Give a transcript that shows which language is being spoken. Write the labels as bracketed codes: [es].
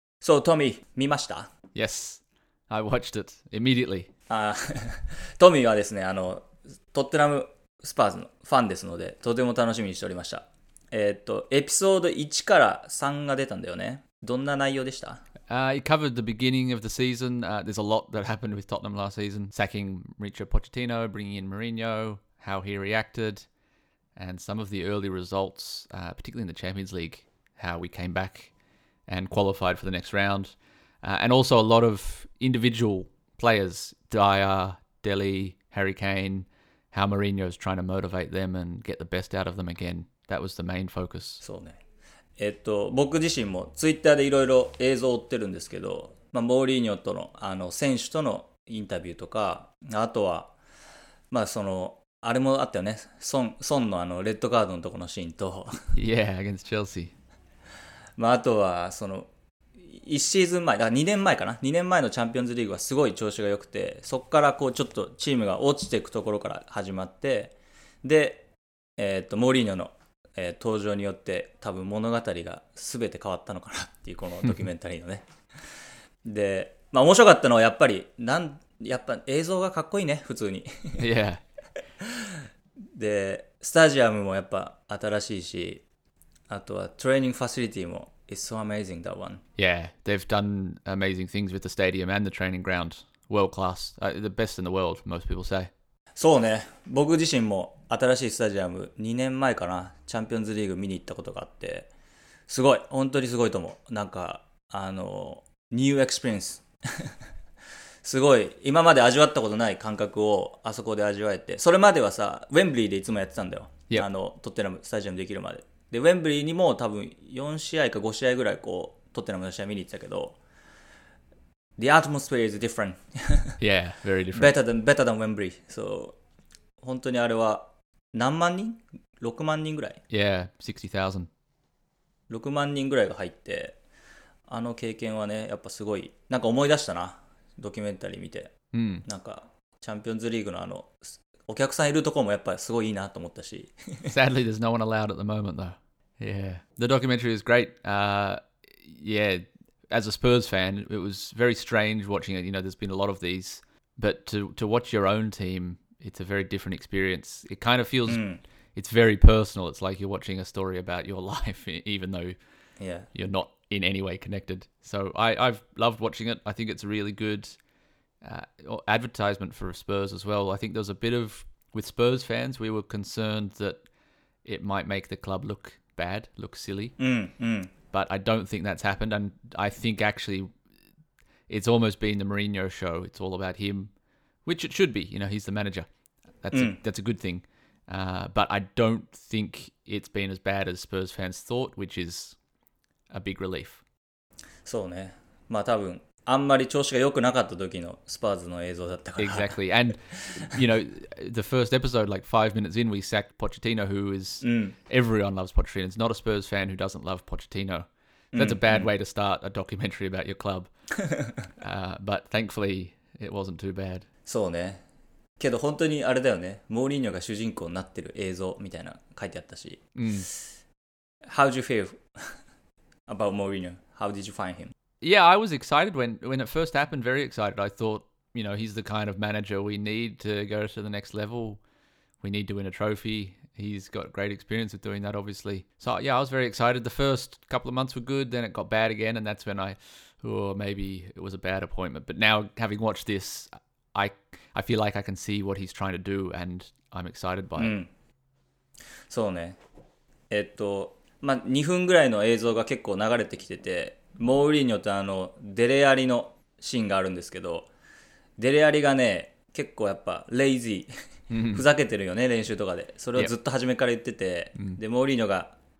[ja] So, Tommy, 見ました? [en] Yes, I watched it immediately. [ja] Tommy はですね、トッテナムスパーズのファンですので、とても楽しみにしておりました。エピソード1から3が出たんだよね。どんな内容でした? [en] It covered the beginning of the season. There's a lot that happened with Tottenham last season. Sacking Mauricio Pochettino, bringing in Mourinho, how he reacted, and some of the early results, particularly in the Champions League, how we came back and qualified for the next round. And also a lot of individual players, Dyer, Dele, Harry Kane, how Mourinho is trying to motivate them and get the best out of them again. That was the main focus. So, yeah. [ja] 僕自身もツイッターでいろいろ映像を追ってるんですけど、まあ、モーリーニョとの、選手とのインタビューとか、あとは、まあ、その、あれもあったよね、ソンの、レッドカードのところのシーンと、 [en] Yeah, against Chelsea. [ja] まあ、あとは、その、1シーズン前、あ、2年前かな、2年前のチャンピオンズリーグはすごい調子が良くて、そこからこう、ちょっとチームが落ちていくところから始まって、で、モーリーニョの、登場によって多分物語が全て変わったのかなっていうこのドキュメンタリーのねで、まあ、面白かったのはやっぱりやっぱ映像がかっこいいね普通に [en] yeah. [ja] でスタジアムもやっぱ新しいしあとはトレーニングファシリティも [en] It's so amazing that one Yeah, they've done amazing things with the stadium and the training ground World class, the best in the world, most people say [ja] そうね僕自身も新しいスタジアム2年前かなチャンピオンズリーグ見に行ったことがあってすごい本当にすごいと思うなんかニューエクスペリエンスすごい今まで味わったことない感覚をあそこで味わえてそれまではさウェンブリーでいつもやってたんだよ、 [en] yep. [ja] トッテナムスタジアムできるまででウェンブリーにも多分4試合か5試合ぐらいこうトッテナムの試合見に行ってたけど [en] The atmosphere is different Yeah, very different Better than Wembley So [ja] 本当にあれは何万人 ?6 万人ぐらい [en] Yeah, 60,000 [ja] 6万人ぐらいが入ってあの経験はねやっぱすごいなんか思い出したなドキュメンタリー見て、 mm. なんかチャンピオンズリーグのお客さんいるところもやっぱすごいいいなと思ったし [en] Sadly, there's no one allowed at the moment though Yeah, the documentary is great Yeah, as a Spurs fan it was very strange watching it you know there's been a lot of these but to watch your own teamIt's a very different experience. It kind of feels,、mm. it's very personal. It's like you're watching a story about your life, even though、 yeah. you're not in any way connected. So I've loved watching it. I think it's a really good、advertisement for Spurs as well. I think there was a bit of, with Spurs fans, we were concerned that it might make the club look bad, look silly. Mm, mm. But I don't think that's happened. And I think actually it's almost been the Mourinho show. It's all about him. Which it should be, you know, he's the manager. That's a good thing. But I don't think it's been as bad as Spurs fans thought, which is a big relief. [ja] そうね。まあ多分、あんまり調子が良くなかった時のスパーズの映像だったから。 [en] Exactly. And, you know, the first episode, like 5 minutes in, we sacked Pochettino, who is, everyone loves Pochettino. It's not a Spurs fan who doesn't love Pochettino. That's a bad way to start a documentary about your club. But thankfully, it wasn't too bad. [ja] そうね。けど本当にあれだよね。モーリーニョが主人公になってる映像みたいな書いてあったし。 Mm. [en] How do you feel about Mourinho? How did you find him? Yeah, I was excited when it first happened, very excited. I thought, you know, he's the kind of manager we need to go to the next level. We need to win a trophy. He's got great experience of doing that, obviously. So, yeah, I was very excited. The first couple of months were good. Then it got bad again. And that's when I, maybe it was a bad appointment. But now, having watched this, I feel like I can see what he's trying to do. And I'm excited by it. [ja] So, まあ、2分ぐらいの映像が結構流れてきてて、モーリーニョとあのデレアリのシーンがあるんですけど、デレアリがね結構やっぱレイジーふざけてるよね練習とかで、それをずっと初めから言ってて、でモーリーニョが、